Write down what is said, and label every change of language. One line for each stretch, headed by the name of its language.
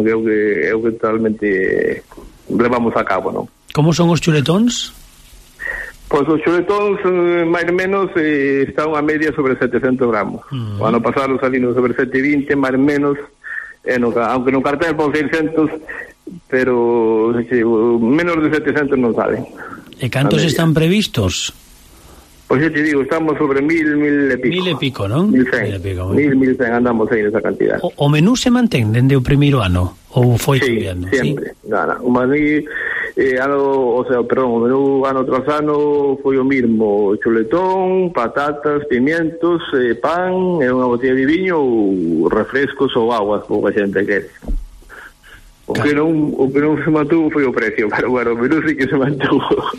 Galician: Que é o que totalmente levamos a cabo, non? Como son os chuletóns? Pois os chuletóns, máis ou menos, están a media sobre 700 gramos. Uh-huh. O ano pasado salimos sobre 720, máis ou menos, aunque no cartel pon 600, pero sí, menos de 700 non sale. E cantos están previstos?
Spanish: Pues ya te digo, estamos sobre 1000 e pico.
Galician: 1000 e pico, ¿no?
Spanish: 1100, andamos ahí en esa cantidad.
Galician: ¿O menú se mantén
Spanish: desde el primer año?
Galician: ou foi cambiando? Sí, sempre. ¿Sí? Nada, o maní, o menú ano tras ano foi o mismo: chuletón, patatas, pimientos, pan, e unha botella de viño ou refrescos ou aguas, como a xente quere. O que non se mantuvo foi o precio, pero bueno, o menú sí que se mantuvo.